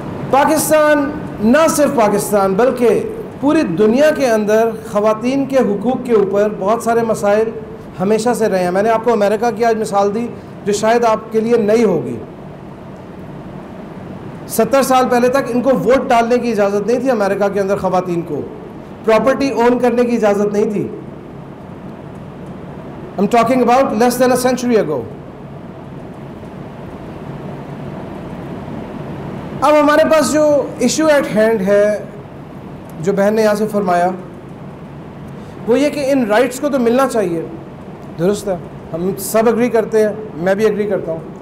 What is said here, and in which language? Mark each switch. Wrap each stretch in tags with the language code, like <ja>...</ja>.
<ur>پاکستان, نہ صرف پاکستان بلکہ پوری دنیا کے اندر خواتین کے حقوق کے اوپر بہت سارے مسائل ہمیشہ سے رہے ہیں. میں نے آپ کو امریکہ کی آج مثال دی جو شاید آپ کے لیے نئی ہوگی. 70 سال پہلے تک ان کو ووٹ ڈالنے کی اجازت نہیں تھی امریکہ کے اندر. خواتین کو پراپرٹی اون کرنے کی اجازت نہیں تھی.</ur> <en>I'm talking about less than a century ago.</en> <ur>اب ہمارے پاس جو</ur> <en>issue at hand</en> <ur>ہے, جو بہن نے یہاں سے فرمایا, وہ یہ کہ ان رائٹس کو تو ملنا چاہیے. درست ہے, ہم سب اگری کرتے ہیں, میں بھی اگری کرتا ہوں.</ur>